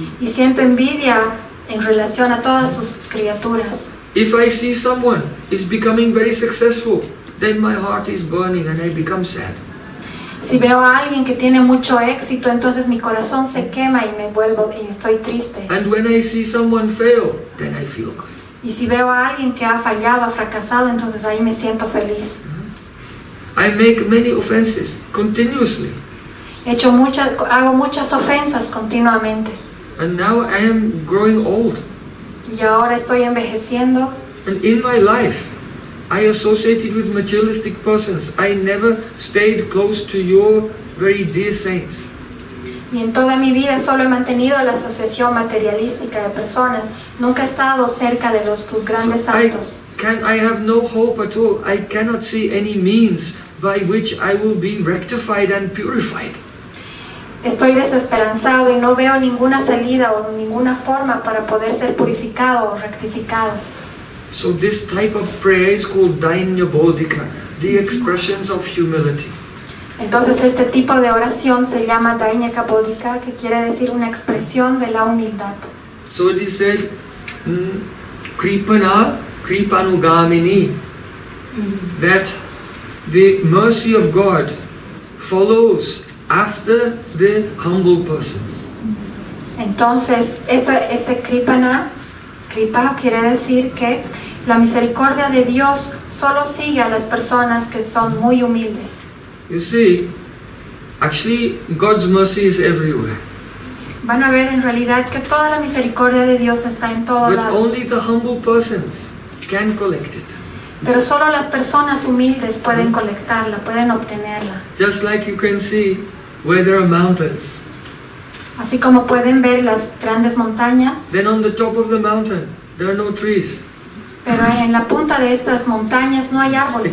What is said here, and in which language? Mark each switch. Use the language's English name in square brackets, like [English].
[Spanish] Y siento envidia en relación a todas tus criaturas. [English] If I see someone is becoming very successful, then my heart is burning and I become sad. [Spanish] Si veo a alguien que tiene mucho éxito, entonces mi corazón se quema y me vuelvo y estoy triste. [English] And when I see someone fail, then I feel good. [Spanish] Y si veo a alguien que ha fallado, ha fracasado, entonces ahí me siento feliz. [English] I make many offenses continuously. [Spanish] Hago muchas ofensas continuamente. [English] And now I am growing old. [Spanish] Y ahora estoy envejeciendo. [English] And in my life, I associated with materialistic persons. I never stayed close to your very dear saints. [Spanish] Y en toda mi vida solo he mantenido la asociación materialística de personas. Nunca he estado cerca de los tus grandes santos. [English] I have no hope at all. I cannot see any means by which I will be rectified and purified. [Spanish] Estoy desesperanzado y no veo ninguna salida o ninguna forma para poder ser purificado o rectificado. [English] So this type of prayer is called Dainyabodhika, the expressions of humility. [Spanish] Entonces este tipo de oración se llama Dainyabodhika, que quiere decir una expresión de la humildad. [English] So it is said, Kripana, Kripanugamini, that the mercy of God follows after the humble persons. [Spanish] Entonces este Kripana, Kripa, quiere decir que la misericordia de Dios solo sigue a las personas que son muy humildes. [English] You see, actually, God's mercy is everywhere. [Spanish] Van a ver en realidad que toda la misericordia de Dios está en todo [English] But [Spanish] lado. [English] But only the humble persons can collect it. [Spanish] Pero solo las personas humildes pueden colectarla, pueden obtenerla. [English] Just like you can see where there are mountains. [Spanish] Así como pueden ver las grandes montañas. [English] Then on the top of the mountain, there are no trees. [Spanish] Pero en la punta de estas montañas no hay árboles.